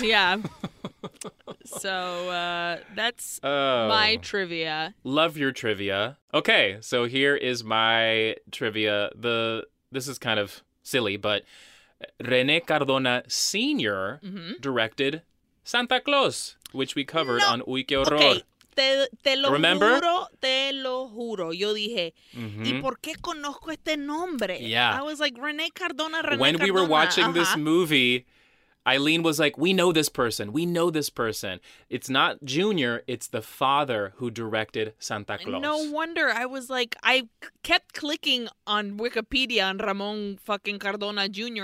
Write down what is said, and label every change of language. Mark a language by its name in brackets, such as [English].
[English] Yeah. So that's my trivia. Love your trivia. Okay, so here is my trivia. This is kind of silly, but René Cardona Sr. Directed Santa Claus, which we covered on Uy, Qué Horror. [Spanish] Okay. Te lo juro. Yo dije, ¿y por qué conozco este nombre? [English] Yeah. I was like, René Cardona. When we were watching this movie, Eileen was like, we know this person. It's not Junior, it's the father who directed Santa Claus. No wonder. I was like, I kept clicking on Wikipedia on Ramon fucking Cardona Jr.